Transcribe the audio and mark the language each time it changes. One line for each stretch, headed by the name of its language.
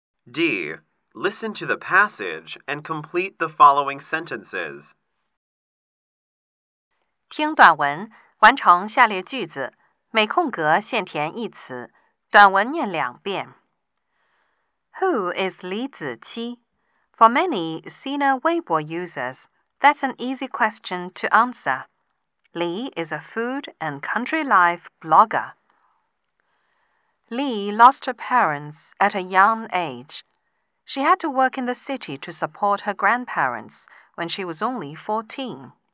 English: D. Listen to the passage and complete the following sentences.
Chinese: 听短文，完成下列句子，每空格限填一词，短文念两遍。
English: Who is Li Ziqi? For many senior Weibo users, that's an easy question to answer. Li is a food and country life blogger. Lee lost her parents at a young age. She had to work in the city to support her grandparents when she was only 14.